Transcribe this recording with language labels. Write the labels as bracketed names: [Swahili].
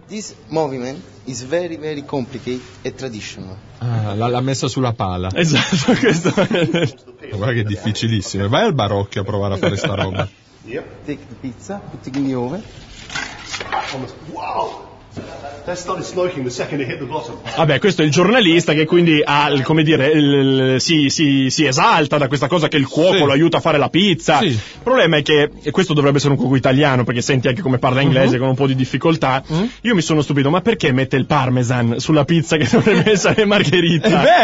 [English] This movement is very very complicated and traditional. [Italian] L'ha messa sulla pala. Esatto, questo. Ma guarda che è difficilissimo. Vai al barocchio a provare a fare sta roba. [English] Yep. Take the pizza, put it in the oven. Wow! That started smoking the second it hit the bottom. [Italian] Vabbè, questo è il giornalista che quindi ha, come dire, si esalta da questa cosa che il cuoco lo aiuta a fare la pizza. Sì. Il problema è che, e questo dovrebbe essere un cuoco italiano, perché senti anche come parla inglese con un po' di difficoltà. Io mi sono stupito, ma perché mette il parmesan sulla pizza che dovrebbe essere margherita?